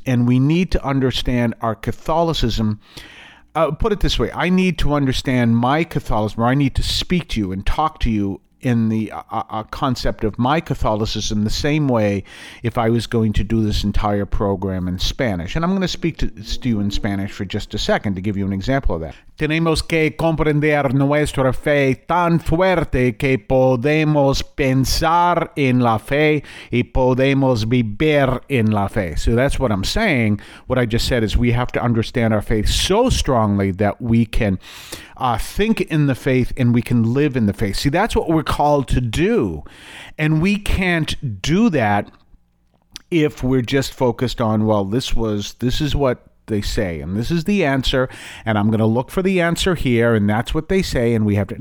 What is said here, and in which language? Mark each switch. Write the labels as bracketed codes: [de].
[en] And we need to understand our Catholicism. Put it this way. I need to understand my Catholicism, or I need to speak to you and talk to you in the concept of my Catholicism the same way if I was going to do this entire program in Spanish. And I'm going to speak to you in Spanish for just a second to give you an example of that. [es] Tenemos que comprender nuestra fe tan fuerte que podemos pensar en la fe y podemos vivir en la fe. [en] So that's what I'm saying. What I just said is we have to understand our faith so strongly that we can think in the faith and we can live in the faith. See, that's what we're called to do. And we can't do that if we're just focused on, well, this is what they say, and this is the answer, and I'm going to look for the answer here, and that's what they say, and we have to.